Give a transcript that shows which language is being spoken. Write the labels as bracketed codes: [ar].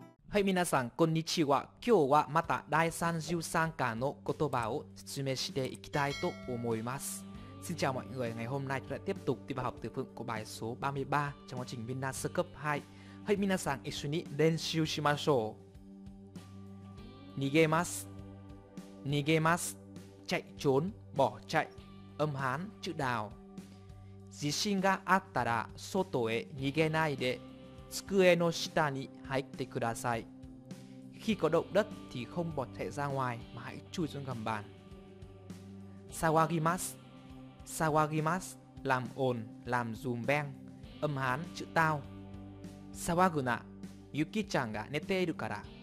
[ja] はい、皆さん、こんにちは。今日はまた第33課の言葉を説明していきたいと思います。 [vi] Xin chào mọi người, ngày hôm nay chúng ta tiếp tục đi vào học từ vựng của bài số 33 trong quá trình Vina sơ cấp 2. [ja] はい、皆さん、一緒に練習しましょう。逃げます。逃げます。 [vi] chạy trốn, bỏ chạy. Âm Hán, chữ đào. [ja] 地震があったら外へ逃げないで。机の下に入ってください。 [vi] Khi có động đất thì không bỏ chạy ra ngoài mà hãy chui xuống gầm bàn. [ja] Sawagimasu. Sawagimasu [vi] làm ồn, làm zoom bang. Âm Hán chữ tao. [ja] Sawaguna. Yuki-chan ga neteiru kara.